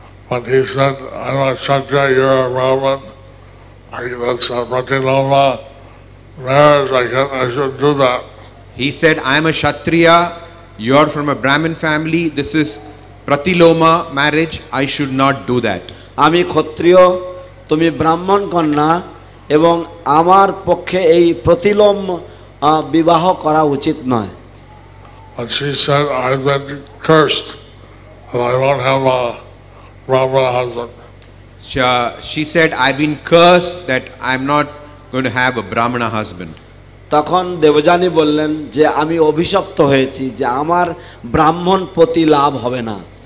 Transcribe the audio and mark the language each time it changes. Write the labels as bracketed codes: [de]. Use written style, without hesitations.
[en] But he said, I'm a Kshatriya, you're a Brahman. That's a Pratinoma marriage, I should do that. He said, I'm a Kshatriya, you're from a Brahmin family, this is Pratinoma marriage, I should not do that. [bn] Ami Kshatriya, tumi Brahman konna, এবং আমার পক্ষে এই প্রতিলম বিবাহ করা উচিত নয় [en] She said, I've been cursed and I won't have a Brahmin husband. She said, I've been cursed that I'm not going to have a Brahmana husband. [bn] তখন দেবযানি বললেন যে আমি অভিশপ্ত হয়েছি যে আমার ব্রাহ্মণ পতি লাভ হবে না